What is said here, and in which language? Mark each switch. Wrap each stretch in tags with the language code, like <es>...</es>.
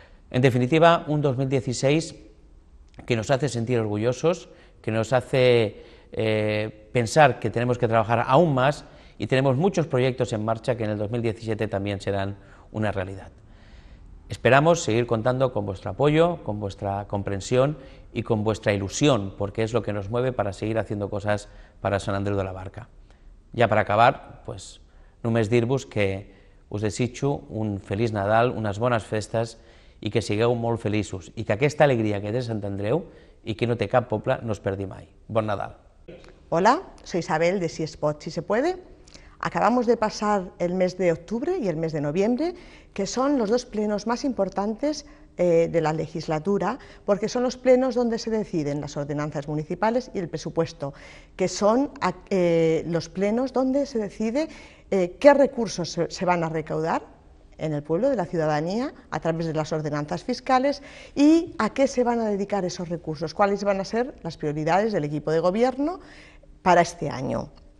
<es>En definitiva, un 2016 que nos hace sentir orgullosos, que nos hace pensar que tenemos que trabajar aún más, y tenemos muchos proyectos en marcha que en el 2017 también serán una realidad. Esperamos seguir contando con vuestro apoyo, con vuestra comprensión y con vuestra ilusión, porque es lo que nos mueve para seguir haciendo cosas para Sant Andreu de la Barca. Ya para acabar, pues,</es> <ca>només dir-vos que us desitjo un feliç Nadal, unes bones festes i que sigueu molt feliços i que aquesta alegria que té Sant Andreu i que no té cap poble no es perdi mai. Bon Nadal.</ca> <es>Hola, soy Isabel de Si es pot, si se puede. Acabamos de pasar el mes de octubre y el mes de noviembre, que son los dos plenos más importantes de la legislatura, porque son los plenos donde se deciden las ordenanzas municipales y el presupuesto, que son los plenos donde se decide qué recursos se van a recaudar en el pueblo, de la ciudadanía, a través de las ordenanzas fiscales, y a qué se van a dedicar esos recursos, cuáles van a ser las prioridades del equipo de gobierno para este año.</es>